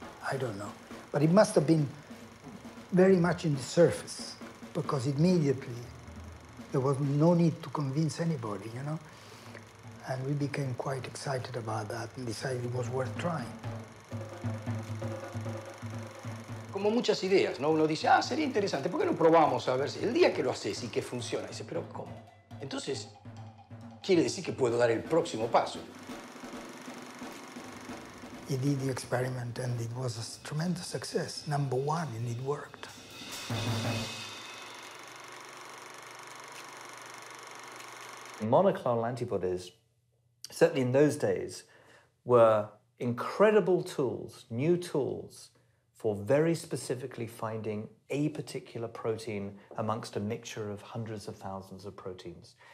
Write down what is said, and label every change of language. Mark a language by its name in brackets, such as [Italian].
[English] I don't know. But it must have been very much in the surface. because immediately there was no need to convince anybody, you know? And we became quite excited about that and decided it was worth trying. [Spanish] Como muchas ideas, ¿no? Uno dice, ah, sería interesante, ¿por qué no probamos a ver si el día que lo haces y que funciona? Dice, pero ¿cómo? Entonces, quiere decir que puedo dar el próximo paso. [English] He did the experiment and it was a tremendous success. Number one, and it worked. Monoclonal antibodies, certainly in those days, were incredible tools, new tools, for very specifically finding a particular protein amongst a mixture of hundreds of thousands of proteins.